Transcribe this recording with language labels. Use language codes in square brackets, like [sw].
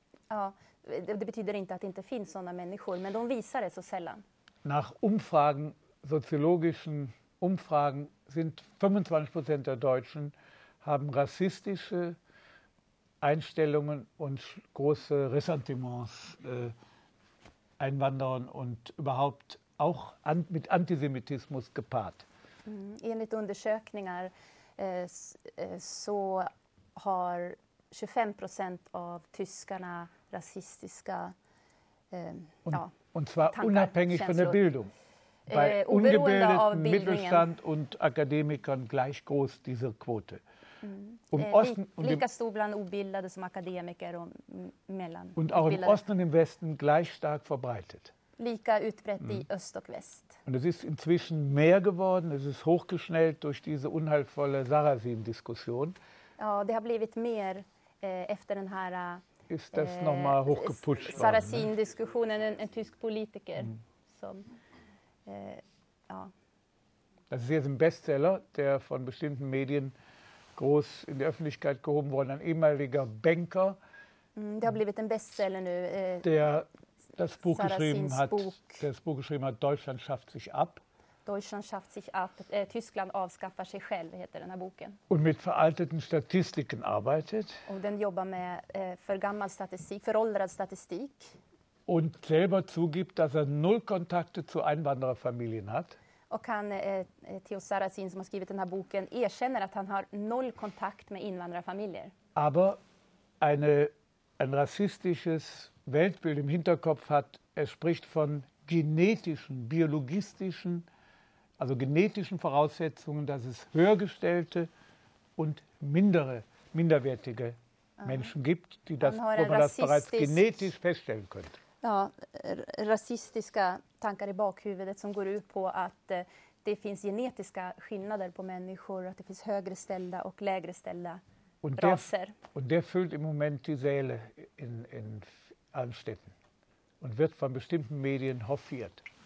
[sv] Ja, det betyder inte att det inte finns sådana människor, men de visar det så sällan. [de] Nach Umfragen, soziologischen Umfragen, sind 25% der Deutschen haben rassistische Einstellungen und große Ressentiments Einwanderern und überhaupt auch mit Antisemitismus gepaart. [sv] Enligt undersökningar så har 25% av tyskarna rasistiska [de] und zwar [sv] tankar, [de] unabhängig [sv] känslor. [de] Von der Bildung. Bei ungebildeten Mittelstand und Akademikern gleich groß diese Quote. [sv] Lika stor bland obildade som akademiker och mellan. [de] Und auch im Osten und im Westen gleich stark verbreitet. [sv] Lika utbrett i öst och väst. [de] Und es ist inzwischen mehr geworden, es ist hochgeschnellt durch diese unheilvolle Sarrazin-Diskussion. [sv] Ja, det har blivit mer efter den här [de] ist das nochmal hochgeputscht worden. [sv] Sarrazin-Diskussionen, en tysk politiker. Som, [de] Das ist jetzt ein Bestseller, der von bestimmten Medien groß in die Öffentlichkeit gehoben wurde. Ein ehemaliger Banker. [sv] Det har blivit en bestseller nu. [de] Der das Buch geschrieben hat, Deutschland schafft sich ab. Deutschland schafft sich ab. [sv] Tyskland avskaffar sig själv, heter den här boken. [de] Und mit veralteten Statistiken arbeitet. [sv] Och den jobbar med för gammal statistik, föråldrad statistik. [de] Und selber zugibt, dass er null Kontakte zu Einwandererfamilien hat. [sv] Och han, Theo Sarrazin, som har skrivit den här boken, erkänner att han har noll kontakt med invandrarfamiljer. [de] Aber ein rassistisches Weltbild im Hinterkopf hat, er spricht von genetischen, biologistischen also genetischen Voraussetzungen, dass es höhergestellte und minderwertige Menschen gibt, die das, wo man das bereits genetisch feststellen könnte. [sv] Ja, rasistiska tankar i bakhuvudet som går ut på att det finns genetiska skillnader på människor, att det finns högre ställda och lägre ställda raser. [de] Und der füllt im Moment die Säle in allen Städten und wird von bestimmten Medien hofiert.